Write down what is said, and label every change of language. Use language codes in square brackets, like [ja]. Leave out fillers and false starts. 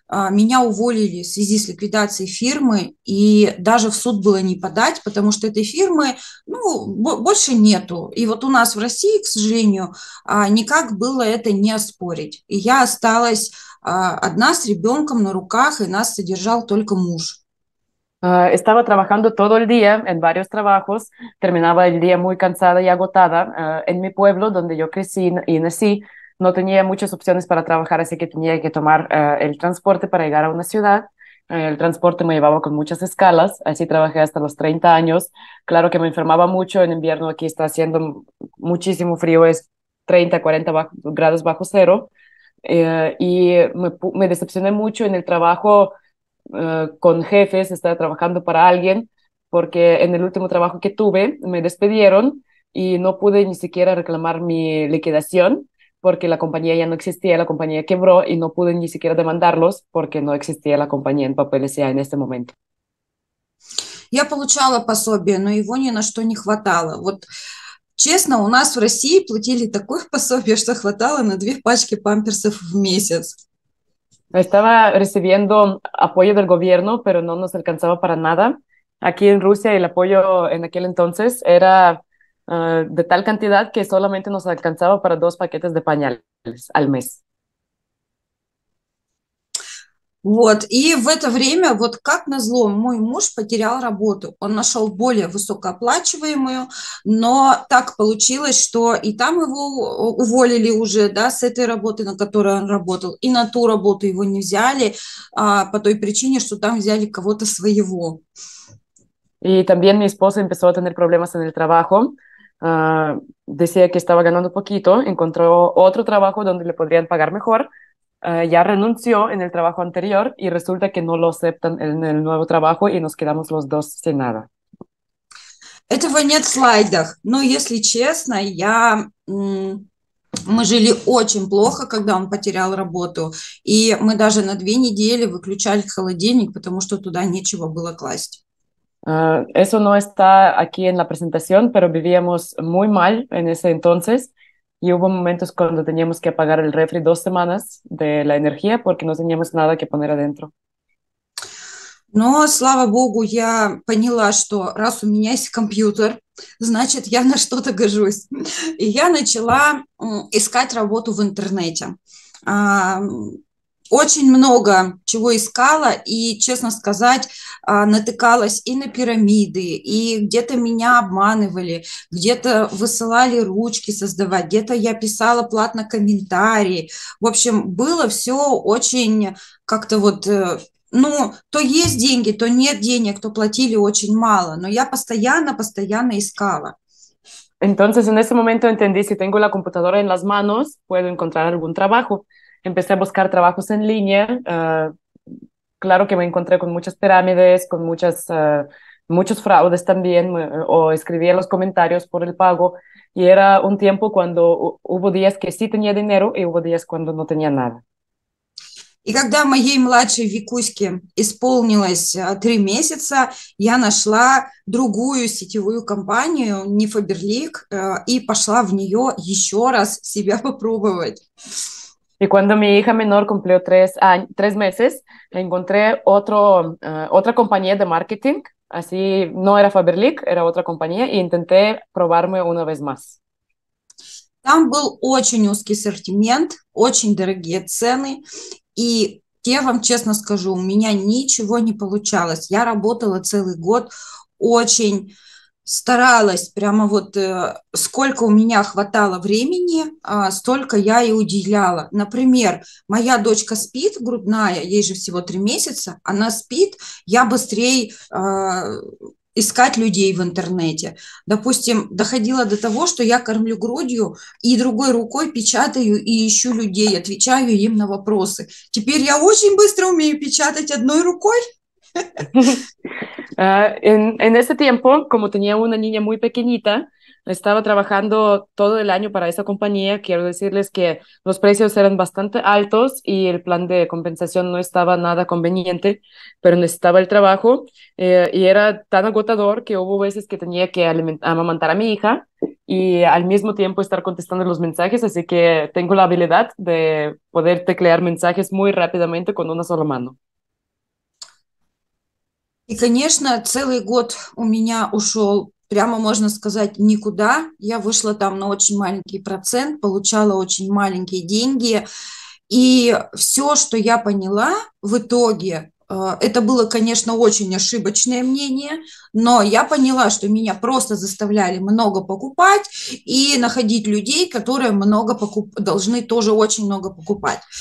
[ru] Меня уволили в связи с ликвидацией фирмы, и даже в суд было не подать, потому что этой фирмы, ну, больше нету. И вот у нас в России, к сожалению, никак было это не оспорить. И я осталась одна с ребенком на руках, и нас содержал только муж. [es] Estaba trabajando todo el día en varios trabajos, terminaba el día muy cansada y agotada. En mi pueblo, donde yo crecí y nací, no tenía muchas opciones para trabajar, así que tenía que tomar el transporte para llegar a una ciudad. El transporte me llevaba con muchas escalas, así trabajé hasta los 30 años. Claro que me enfermaba mucho en invierno, aquí está haciendo muchísimo frío, es 30, 40 grados bajo cero. Y me decepcioné mucho en el trabajo con jefes, estaba trabajando para alguien, porque en el último trabajo que tuve me despidieron y no pude ni siquiera reclamar mi liquidación. Porque la compañía ya no existía, la compañía quebró y no pude ni siquiera demandarlos porque no existía la compañía en papeles ya en este momento. [ru] Я получала пособие, но его ни на что не хватало. Вот честно, у нас в России платили такое пособие, что хватало на две пачки памперсов в месяц. [es] Estaba recibiendo apoyo del gobierno, pero no nos alcanzaba para nada. Aquí en Rusia el apoyo en aquel entonces era... de tal cantidad que solamente nos alcanzaba para dos paquetes de pañales al mes. [ru] Вот. И в это время, вот как назло, мой муж потерял работу. Он нашел более высокооплачиваемую, но так получилось, что и там его уволили уже, да, с этой работы, на которой он работал, и на ту работу его не взяли, по той причине, что там взяли кого-то своего. [es] Y también mi esposo empezó a tener problemas en el trabajo. Decía que estaba ganando poquito, encontró otro trabajo donde le podrían pagar mejor. Ya renunció en el trabajo anterior y resulta que no lo aceptan en el nuevo trabajo y nos quedamos los dos sin nada. [ru] Этого нет в слайдах, но если честно, мы жили очень плохо, когда он потерял работу, и мы даже на 2 недели выключали холодильник, потому что туда нечего было класть. [es] Eso no está aquí en la presentación, pero vivíamos muy mal en ese entonces y hubo momentos cuando teníamos que apagar el refri 2 semanas de la energía porque no teníamos nada que poner adentro. [ru] Но, слава богу, я поняла, что раз у меня есть компьютер, значит, я на что-то гожусь. И я начала искать работу в интернете. Очень много чего искала и, честно сказать, натыкалась и на пирамиды, и где-то меня обманывали, где-то высылали ручки создавать, где-то я писала платно комментарии. В общем, было все очень как-то вот... Ну, то есть деньги, то нет денег, то платили очень мало, но я постоянно искала. [es] Entonces, en ese momento entendí, si tengo la computadora en las manos, puedo encontrar algún trabajo. Empecé a buscar trabajos en línea. Claro que me encontré con muchas pirámides, con muchos fraudes también, o escribí en los comentarios por el pago. Y era un tiempo cuando hubo días que sí tenía dinero y hubo días cuando no tenía nada. [ru] И когда моей младшей Викуське исполнилось 3 месяца, я нашла другую сетевую компанию, не Фаберлик, и пошла в нее еще раз себя попробовать. [es] Y cuando mi hija menor cumplió 3 meses, encontré otra compañía de marketing. Así no era Faberlic, era otra compañía, y intenté probarme una vez más. [ru] Там был очень узкий ассортимент, очень дорогие цены. И я вам честно скажу, у меня ничего не получалось. Я работала целый год, очень старалась, прямо вот сколько у меня хватало времени, столько я и уделяла. Например, моя дочка спит, грудная, ей же всего 3 месяца, она спит, я быстрее искать людей в интернете. Допустим, доходило до того, что я кормлю грудью и другой рукой печатаю и ищу людей, отвечаю им на вопросы. Теперь я очень быстро умею печатать одной рукой. [es] En ese tiempo, como tenía una niña muy pequeñita, estaba trabajando todo el año para esa compañía. Quiero decirles que los precios eran bastante altos y el plan de compensación no estaba nada conveniente, pero necesitaba el trabajo, y era tan agotador que hubo veces que tenía que amamantar a mi hija y al mismo tiempo estar contestando los mensajes. Así que tengo la habilidad de poder teclear mensajes muy rápidamente con una sola mano. [ru] И, конечно, целый год у меня ушел, прямо можно сказать, никуда. Я вышла там на очень маленький процент, получала очень маленькие деньги. И все, что я поняла в итоге, это было, конечно, очень ошибочное мнение, но я поняла, что меня просто заставляли много покупать и находить людей, которые много должны тоже очень много покупать.